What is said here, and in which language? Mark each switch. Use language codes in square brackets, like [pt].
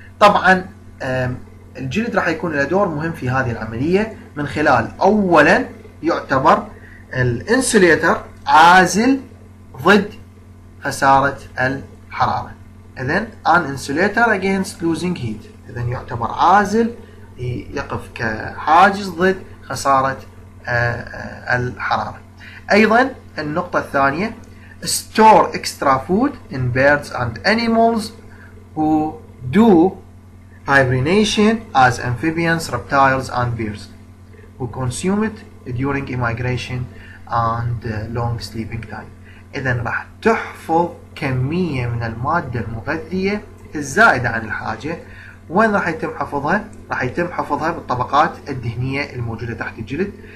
[ar] طبعا الجلد راح يكون له دور مهم في هذه العملية من خلال أولا يعتبر الانسوليتر عازل ضد خسارة الحرارة، إذن [en] an insulator against losing heat، [ar] إذن يعتبر عازل يقف كحاجز ضد خسارة الحرارة. أيضا النقطة الثانية [en] store extra food in birds and animals who do hibernation as amphibians, reptiles and bears who consume it during immigration and long sleeping time. [ar] إذن راح تحفظ كمية من المادة المغذية الزائدة عن الحاجة. وين راح يتم حفظها؟ راح يتم حفظها بالطبقات الدهنية الموجودة تحت الجلد.